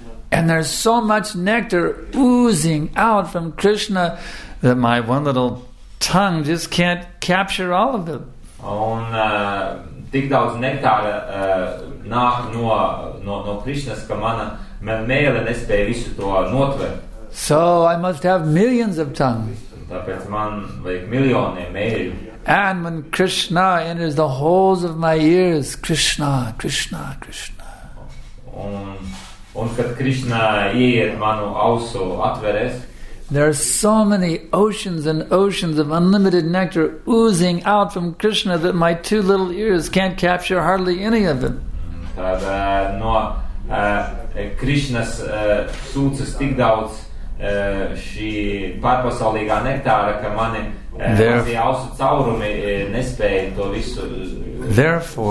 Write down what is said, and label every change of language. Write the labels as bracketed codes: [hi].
[en] And there's so much nectar oozing out from Krishna that my one little tongue just can't capture all of it. [lv] Un tik daudz nektāra nāk no Krishnas, ka mana mēle nespēja visu to notvert. [en] So I must have millions of tongues. [lv] Tāpēc man vajag miljoni mēļu. [en] And when Krishna enters the holes of my ears, Krishna, Krishna, Krishna. [lv] Un kad Krishna ieiet manu ausu atveres, [en] there are so many oceans and oceans of unlimited nectar oozing out from Krishna that my two little ears can't capture hardly any of it. [lv] Tad no Krishnas sūcas tik daudz šī pārpasaulīgā nektāra, ka mani mazie ausu caurumi nespēja to visu.